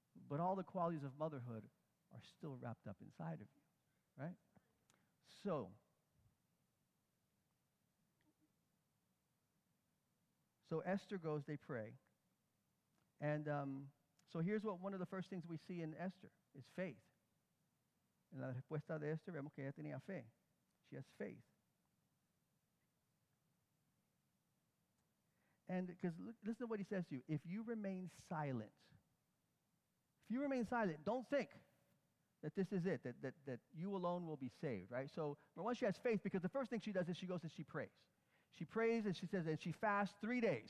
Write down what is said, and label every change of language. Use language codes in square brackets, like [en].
[en] But all the qualities of motherhood are still wrapped up inside of you, right? So Esther goes, they pray. And so here's what one of the first things we see in Esther is faith. [es] En la respuesta de Esther, vemos que ella tenía fe. [en] She has faith. And because listen to what he says to you. If you remain silent, if you remain silent, don't think that this is it, that you alone will be saved, right? So, but once she has faith, because the first thing she does is she goes and she prays. She prays and she says, and she fasts 3 days.